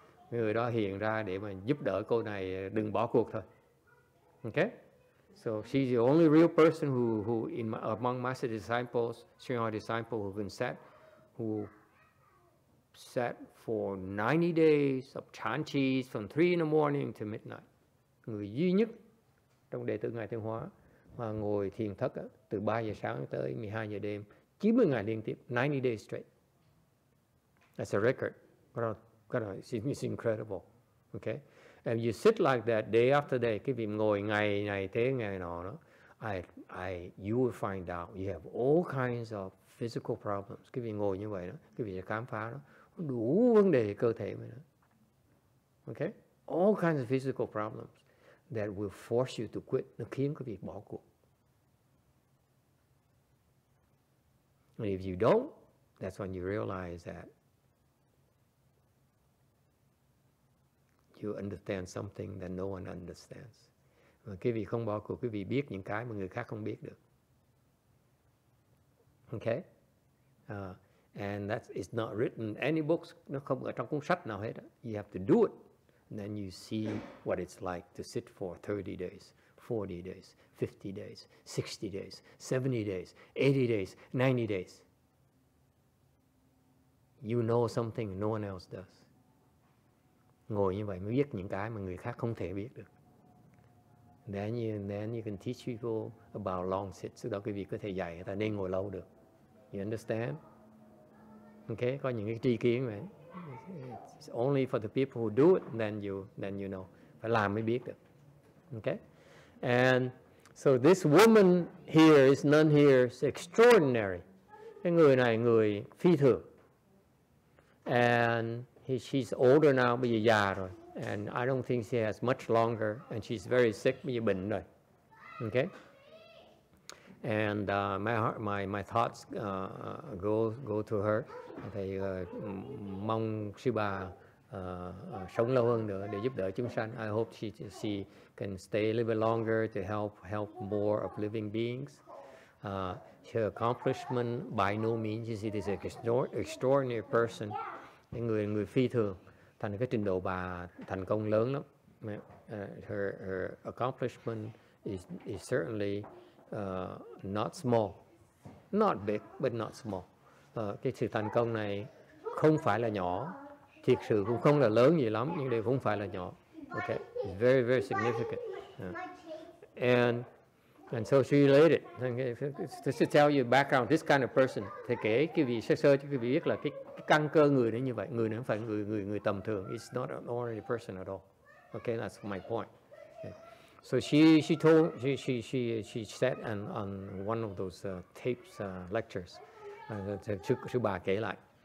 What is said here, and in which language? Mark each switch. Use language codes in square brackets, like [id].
[vi] Người đó hiện ra để mà giúp đỡ cô này đừng bỏ cuộc thôi. [en] Okay? So she's the only real person who in among master disciples, senior disciple who sat for 90 days of HengChi's from 3 in the morning to midnight. [vi] Người duy nhất trong đệ tử ngài Thiên Hóa mà ngồi thiền thất từ 3 giờ sáng tới 12 giờ đêm, 90 ngày liên tiếp, [en] 90 days straight. That's a record. It's incredible. Okay? And you sit like that day after day, [vi] cái việc ngồi ngày này thế ngày nọ đó, [en] you will find out you have all kinds of physical problems. [vi] Cái việc ngồi như vậy đó, cái việc khám phá đó, đủ vấn đề cơ thể mới đó. [en] Okay? All kinds of physical problems that will force you to quit, [vi] nó khiến cái việc bỏ cuộc. [en] And if you don't, that's when you realize that you understand something that no one understands. [vi] Mà quý vị không bỏ cuộc, quý vị biết những cái mà người khác không biết được. [en] Okay? And that is not written in any books. [vi] Nó không ở trong cuốn sách nào hết. [en] You have to do it. And then you see what it's like to sit for 30 days, 40 days, 50 days, 60 days, 70 days, 80 days, 90 days. You know something no one else does. [vi] Ngồi như vậy mới biết những cái mà người khác không thể biết được. [en] Then you can teach people about long sit. [vi] Sau đó quý vị có thể dạy người ta nên ngồi lâu được. [en] You understand? [vi] Okay, có những cái tri kiến vậy. [en] It's only for the people who do it, then you know. [vi] Phải làm mới biết được. [en] Okay? And so this woman here, this nun here, is extraordinary. [vi] Cái người này người phi thường. [en] And she's older now, [vi] bây giờ già rồi. [en] And I don't think she has much longer. And she's very sick, [vi] bây giờ bệnh rồi. [en] Okay? And my thoughts go to her. [vi] Thầy mong sư bà sống lâu hơn nữa để giúp đỡ chúng sanh. [en] I hope she can stay a little bit longer to help more of living beings. Her accomplishment, by no means, she is an extraordinary person. [vi] Người phi thường, thành cái trình độ bà thành công lớn lắm. [en] Her accomplishment is certainly not small, not big but not small. [vi] Cái sự thành công này không phải là nhỏ, thiệt sự cũng không là lớn gì lắm, nhưng đều không phải là nhỏ. [en] Okay, it's very very significant. And so she related. Just to tell you background, this kind of person. [vi] Thầy kể quý vị sơ sơ cho quý vị biết là cái căn cơ người nó như vậy. Người nó không phải người tầm thường. [en] It's not an ordinary person at all. Okay, that's my point. Okay. So she said on one of those tapes lectures. [vi] Sư bà kể lại.